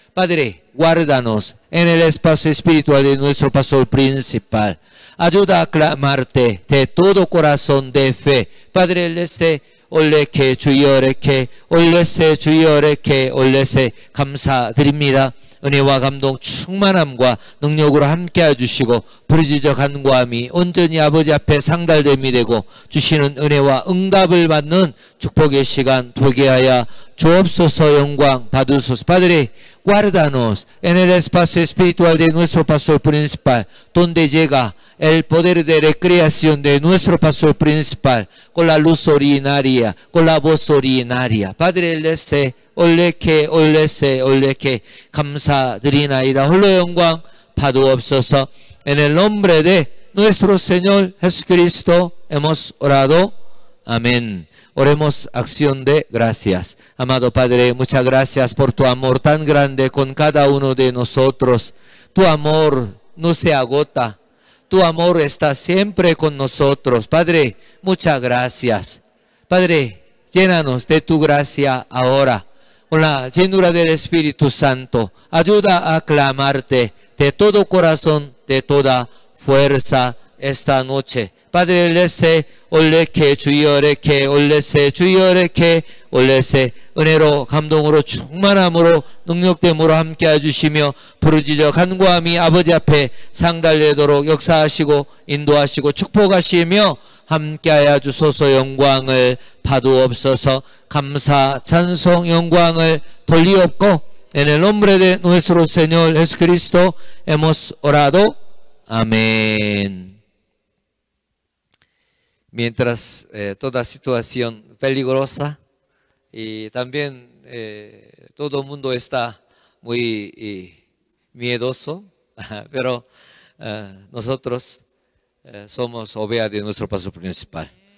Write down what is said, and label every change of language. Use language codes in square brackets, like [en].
[es] Padre, guárdanos en el espacio espiritual de nuestro paso principal. Ayuda a clamarte de todo corazón de fe. Padre, le sé. Olé que chuyore que, olé se chuyore que, olé se, [ko] 감사드립니다. 은혜와 감동 충만함과 능력으로 함께 해주시고 부르짖어 간구함이 온전히 아버지 앞에 상달됨이 되고 주시는 은혜와 응답을 받는 축복의 시간 되게 하여 주옵소서. 영광 받으소서. [es] Padre, guárdanos en el espacio espiritual de nuestro pastor principal donde llega el poder de recreación de nuestro pastor principal con la luz originaria, con la voz originaria. Padre, les sé. Oleke, olese, oleke, [ko] 감사드리나이다. 홀로 영광 받으옵소서. [es] En el nombre de nuestro Señor Jesucristo hemos orado. Amén. Oremos acción de gracias. Amado Padre, muchas gracias por tu amor tan grande con cada uno de nosotros. Tu amor no se agota. Tu amor está siempre con nosotros. Padre, muchas gracias. Padre, llénanos de tu gracia ahora. Con la llenura del Espíritu Santo, ayuda a clamarte de todo corazón, de toda fuerza esta noche. Padre, lese, oleke, chuyoreke, olese, [ko] chuyoreke, olese, 은혜로, 감동으로, 충만함으로, 능력됨으로 함께 해주시며, 부르짖어 간구함이 아버지 앞에 상달되도록 역사하시고, 인도하시고, 축복하시며, 함께하여 주소서. 영광을 받으옵소서. 감사 찬송 영광을 돌리옵고 [es] en el nombre de nuestro Señor Jesucristo hemos orado. Amén. Mientras toda situación peligrosa y también todo mundo está muy miedoso, pero nosotros somos ovejas de nuestro pastor principal.